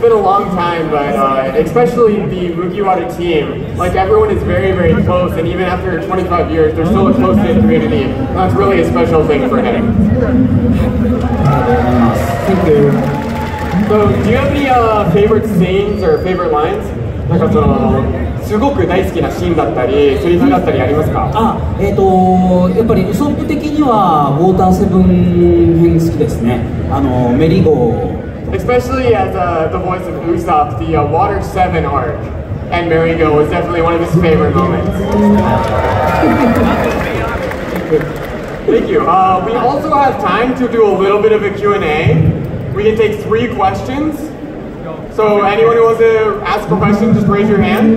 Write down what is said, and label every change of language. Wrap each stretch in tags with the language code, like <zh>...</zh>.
<en>been a long time, but especially the Mugiwara team, like everyone is very, very close, and even after 25 years, they're still a close knit community. That's really a special thing for him. Thank you. So, do you have any favorite scenes or favorite lines?</en> <ja>なんかその、すごく大好きなシーンだったり、セリフだったりありますか？あ、やっぱりウソップ的にはウォーターセブン編好きですね。あの、メリゴー。</ja> <en>Especially as the voice of Usopp, the Water 7 arc. And Merigo was definitely one of his favorite moments. Thank you. We also have time to do a little bit of a Q&A. We can take 3 questions. So anyone who wants to ask a question, just raise your hand.</en>